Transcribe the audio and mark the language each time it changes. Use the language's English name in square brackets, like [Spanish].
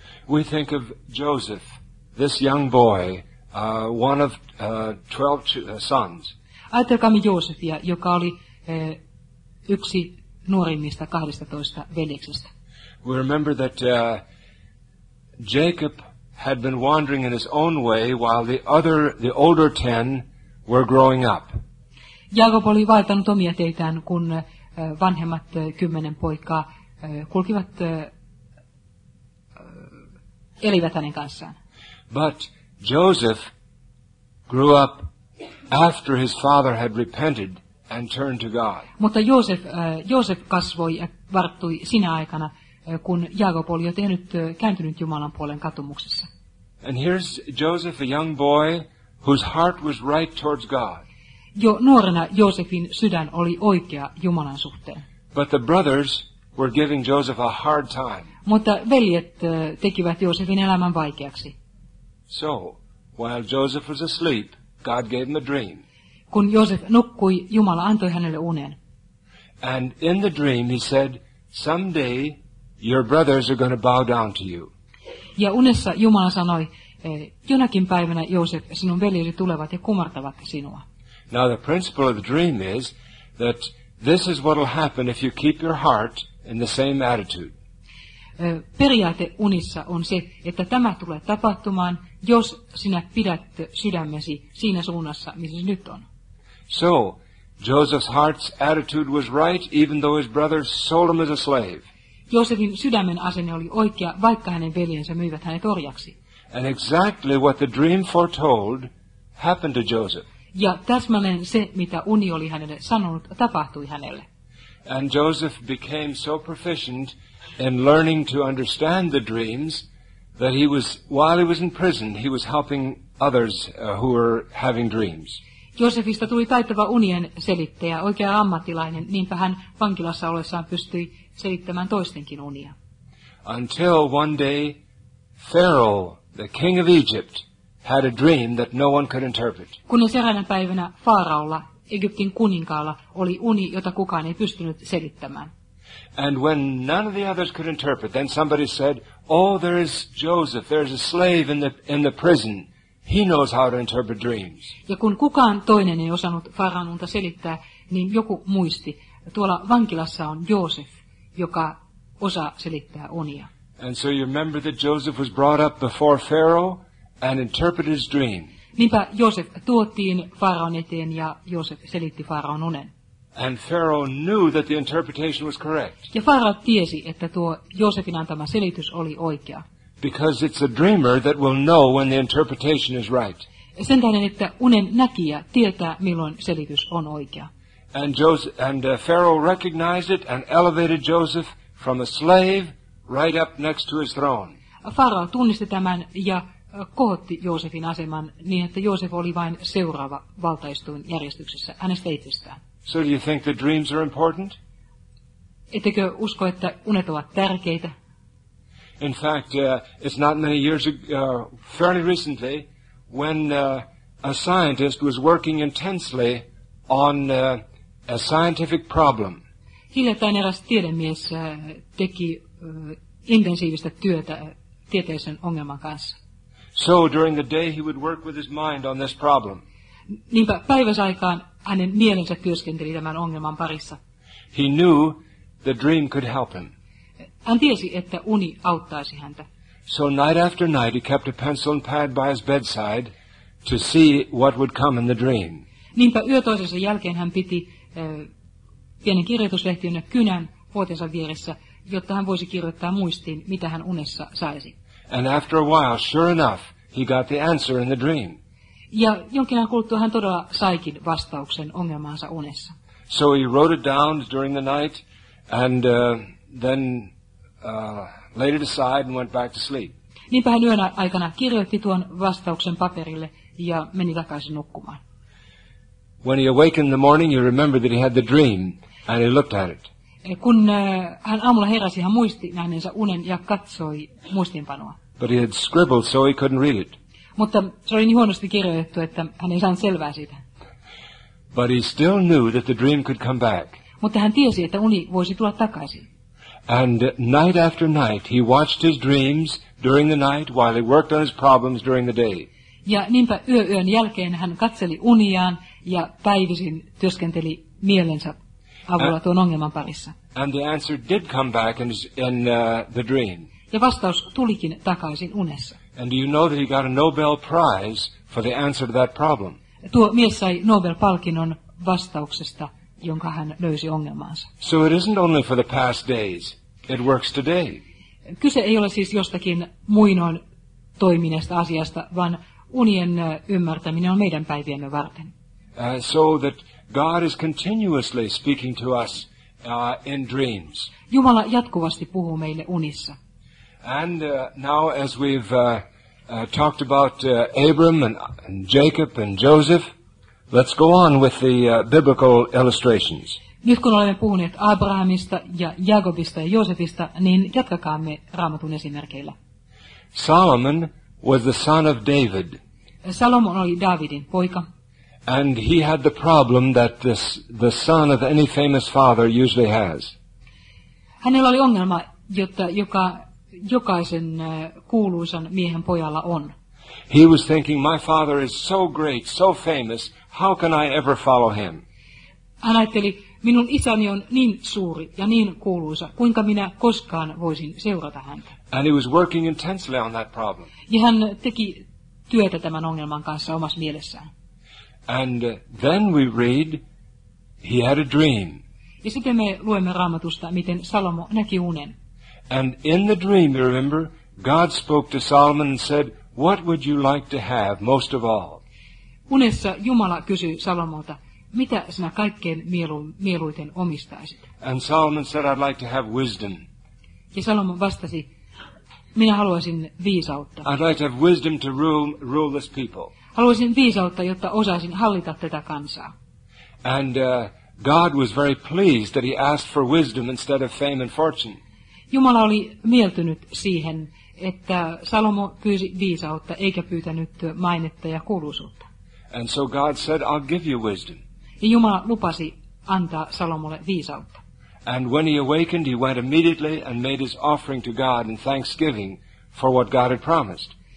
[English] We think of Joseph, this young boy, one of 12 sons. [Finnish] Ajattelkaamme Joosefia, joka oli yksi nuorimmista 12 veljeksestä. [English] We remember that Jacob had been wandering in his own way while the older 10 were growing up. [Finnish] Jaakob oli vaeltanut omia teitään, kun vanhemmat 10 poikaa kulkivat elivät hänen kanssaan. [English] But Joseph grew up after his father had repented and turned to God. [Finnish] Mutta Joosef kasvoi ja varttui sinä aikana, kun Jaakob oli jo kääntynyt Jumalan puolen katumuksessa. [English] And here's Joseph, a young boy, whose heart was right towards God. [Finnish] Jo nuorena Joosefin sydän oli oikea Jumalan suhteen. [English] But the brothers were giving Joseph a hard time. [Finnish] Mutta veljet tekivät Joosefin elämän vaikeaksi. [English] So, while Joseph was asleep, God gave him a dream. [Finnish] Kun Joosef nukkui, Jumala antoi hänelle unen. [English] And in the dream he said, someday your brothers are going to bow down to you. [Finnish] Ja unessa Jumala sanoi, jonakin päivänä Joosef, sinun veljesi tulevat ja kumartavat sinua. [English] Now the principle of the dream is that this is what will happen if you keep your heart in the same attitude. [Finnish] Periaate unissa on se, että tämä tulee tapahtumaan, jos sinä pidät sydämesi siinä suunnassa, missä nyt on. [English] So, Joseph's heart's attitude was right, even though his brothers sold him as a slave. [Finnish] Joosefin sydämen asenne oli oikea, vaikka hänen veljensä myivät hänet orjaksi. [English] And exactly what the dream foretold happened to Joseph. [Finnish] Ja täsmälleen se, mitä uni oli hänelle sanonut, tapahtui hänelle. [English] And Joseph became so proficient in learning to understand the dreams that he was, while he was in prison, he was helping others who were having dreams. [Finnish] Joosefista tuli taitava unien selittäjä, oikea ammattilainen, niinpä hän vankilassa ollessaan pystyi selittämään toistenkin unia. [English] Until one day, Pharaoh, the king of Egypt, had a dream that no one could interpret. [Finnish] Kunnes eräänä päivänä Faaraolla, Egyptin kuninkaalla, oli uni, jota kukaan ei pystynyt selittämään. [English] And when none of the others could interpret, then somebody said, oh, there is Joseph, there is a slave in the prison. He knows how to interpret dreams. [Finnish] Ja kun kukaan toinen ei osannut Faaraan unta selittää, niin joku muisti. Tuolla vankilassa on Joosef, joka osaa selittää unia. [English] And so you remember that Joseph was brought up before Pharaoh and interpreted his dream. [Finnish] Niinpä Joosef tuotiin Faaraan eteen ja Joosef selitti Faaraan unen. [English] And Pharaoh knew that the interpretation was correct. [Finnish] Ja Faarao tiesi, että tuo Joosefin antama selitys oli oikea. [English] Because it's a dreamer that will know when the interpretation is right. [Finnish] Sen tähden, että unen näkijä tietää, milloin selitys on oikea. [English] And Pharaoh recognized it and elevated Joseph from a slave right up next to his throne. [Finnish] Farao tunnisti tämän ja kohotti Joosefin aseman niin, että Joosef oli vain seuraava valtaistuin järjestyksessä hänestä itsestään. [English] So do you think the dreams are important? [Finnish] Ettekö usko, että unet ovat tärkeitä? [English] In fact, it's not many years ago, fairly recently, when a scientist was working intensely on a scientific problem. [Finnish] Hiljattain eräs tiedemies teki intensiivistä työtä tieteellisen ongelman kanssa. [English] So during the day he would work with his mind on this problem. [Finnish] Niinpä päiväsaikaan hänen mielensä työskenteli tämän ongelman parissa. [English] He knew the dream could help him. [Finnish] Hän tiesi, että uni auttaisi häntä. [English] So night after night he kept a pencil and pad by his bedside to see what would come in the dream. [Finnish] Niinpä yö toisensa jälkeen hän piti pienen kirjoituslehtiön kynän vuotensa vieressä, jotta hän voisi kirjoittaa muistiin, mitä hän unessa saisi. [English] And after a while, sure enough, he got the answer in the dream. [Finnish] Ja jonkin ajan kuluttua hän todella saikin vastauksen ongelmaansa unessa. [English] So he wrote it down during the night and then laid it aside and went back to sleep. [Finnish] Niinpä hän yönä aikana kirjoitti tuon vastauksen paperille ja meni takaisin nukkumaan. [English] When he awakened in the morning, he remembered that he had the dream and he looked at it. [Finnish] Kun hän aamulla heräsi, hän muisti nähneensä unen ja katsoi muistiinpanoa. [English] But he had scribbled so he couldn't read it. [Finnish] Mutta se oli niin huonosti kirjoitettu, että hän ei saanut selvää siitä. [English] But he still knew that the dream could come back. [Finnish] Mutta hän tiesi, että uni voisi tulla takaisin. [English] And night after night he watched his dreams during the night while he worked on his problems during the day. [Finnish] Ja niinpä yön jälkeen hän katseli uniaan ja päivisin työskenteli mielensä avulla tuon ongelman parissa. [English] And the answer did come back in the dream. [Finnish] Ja vastaus tulikin takaisin unessa. [English] And do you know that he got a Nobel Prize for the answer to that problem? [Finnish] Tuo mies sai Nobel-palkinnon vastauksesta, jonka hän löysi ongelmaansa. [English] So it isn't only for the past days. It works today. [Finnish] Kyse ei ole siis jostakin muinoin toiminnasta asiasta, vaan unien ymmärtäminen on meidän päiviemme varten. [English] So that God is continuously speaking to us in dreams. [Finnish] Jumala jatkuvasti puhuu meille unissa. [English] And now as we've talked about Abram and Jacob and Joseph. Let's go on with the biblical illustrations. [Finnish] Nyt kun olemme puhuneet Abrahamista ja Jakobista ja Joosefista, niin jatkakaamme Raamatun esimerkkeillä. [English] Solomon was the son of David. [Finnish] Salomon oli Davidin poika. [English] And he had the problem that this, the son of any famous father usually has. [Finnish] Hänellä oli ongelma, joka jokaisen kuuluisan miehen pojalla on. [English] He was thinking, my father is so great, so famous, how can I ever follow him? [Finnish] Hän ajatteli, minun isäni on niin suuri ja niin kuuluisa, kuinka minä koskaan voisin seurata häntä. [English] And he was working intensely on that problem. [Finnish] Ja hän teki työtä tämän ongelman kanssa omassa mielessään. [English] And then we read, he had a dream. [Finnish] Ja sitten me luemme Raamatusta, miten Salomo näki unen. [English] And in the dream, you remember, God spoke to Solomon and said, what would you like to have most of all? [Finnish] Unessa Jumala kysyi Salomolta, mitä sinä kaikkein mieluiten omistaisit? [English] And Solomon said, I'd like to have wisdom. [Finnish] Ja Salomo vastasi, minä haluaisin viisautta. [English] I'd like to have wisdom to rule this people. [Finnish] Haluaisin viisautta, jotta osaisin hallita tätä kansaa. [English] And God was very pleased that he asked for wisdom instead of fame and fortune. [Finnish] Jumala oli mieltynyt siihen, että Salomo pyysi viisautta eikä pyytänyt mainetta ja kuuluisuutta. [English] And so God said, I'll give you wisdom. [Finnish] Ja Jumala lupasi antaa Salomolle viisautta. [English] And when he awakened, he went immediately and made his offering to God in thanksgiving for what God had promised.